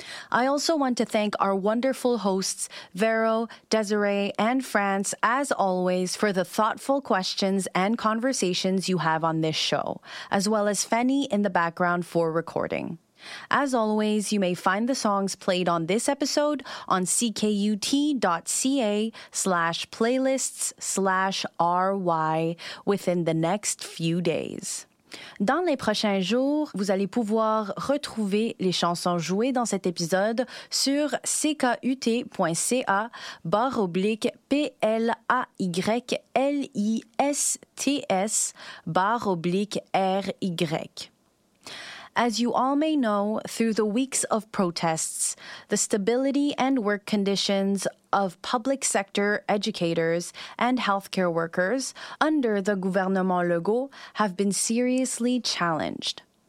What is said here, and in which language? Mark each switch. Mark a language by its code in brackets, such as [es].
[en] I also want to thank our wonderful hosts, Vero, Desiree, and France, as always, for the thoughtful questions and conversations you have on this show, as well as Fanny in the background for recording. As always, you may find the songs played on this episode on ckut.ca/playlists/ry within the next few days. [fr] Dans les prochains jours, vous allez pouvoir retrouver les chansons jouées dans cet épisode sur ckut.ca/playlists/ry. [en] As you all may know, through the weeks of protests, the stability and work conditions of public sector educators and healthcare workers under the gouvernement Legault have been seriously challenged.